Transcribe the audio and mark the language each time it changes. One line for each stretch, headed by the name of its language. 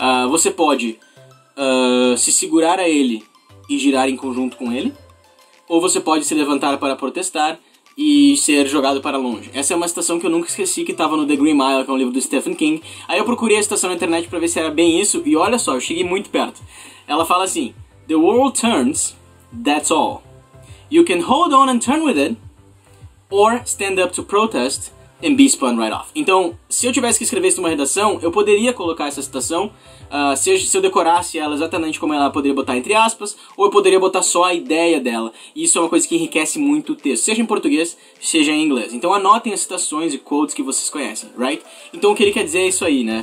Portuguese: Você pode se segurar a ele e girar em conjunto com ele, ou você pode se levantar para protestar e ser jogado para longe. Essa é uma citação que eu nunca esqueci, que estava no The Green Mile, que é um livro do Stephen King. Aí eu procurei a citação na internet para ver se era bem isso, e olha só, eu cheguei muito perto. Ela fala assim,
English: the world turns, that's all. You can hold on and turn with it, or stand up to protest and be spun right off.
Portuguese: Então, se eu tivesse que escrever isso numa redação, eu poderia colocar essa citação, se eu decorasse ela exatamente como ela, poderia botar entre aspas, ou eu poderia botar só a ideia dela. E isso é uma coisa que enriquece muito o texto, seja em português, seja em inglês. Então anotem as citações e quotes que vocês conhecem, right? Então o que ele quer dizer é isso aí, né?